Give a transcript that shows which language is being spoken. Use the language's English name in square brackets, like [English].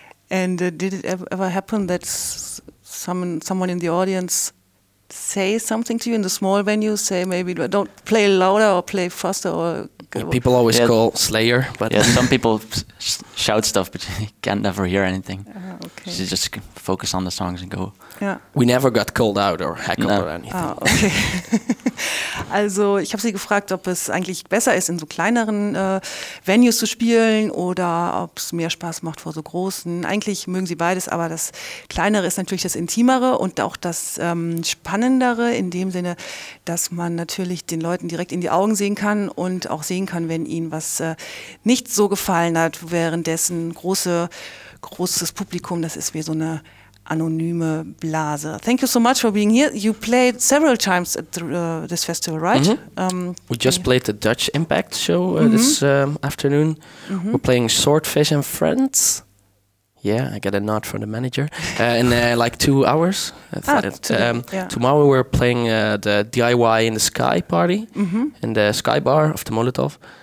[English] And did it ever happen that someone in the audience say something to you in the small venue, say maybe don't play louder or play faster or... People always call Slayer, but some people shout stuff, but you can never hear anything. Okay. You just focus on the songs and go. Yeah. We never got called out or heckled or anything. Ah, okay. [German] Also, ich habe sie gefragt, ob es eigentlich besser ist, in so kleineren Venues zu spielen oder ob es mehr Spaß macht vor so großen. Eigentlich mögen sie beides, aber das Kleinere ist natürlich das Intimere und auch das Spannendere in dem Sinne, dass man natürlich den Leuten direkt in die Augen sehen kann und auch sehen kann, wenn ihnen was nicht so gefallen hat, währenddessen großes Publikum, das ist wie so eine anonyme Blase. [English] Thank you so much for being here. You played several times at this festival, right? Mm-hmm. We just played the Dutch Impact show this afternoon. Mm-hmm. We're playing Swordfish and Friends. Yeah, I get a nod from the manager. In like 2 hours. Tomorrow we're playing the DIY in the Sky party in the Sky Bar of the Molotov.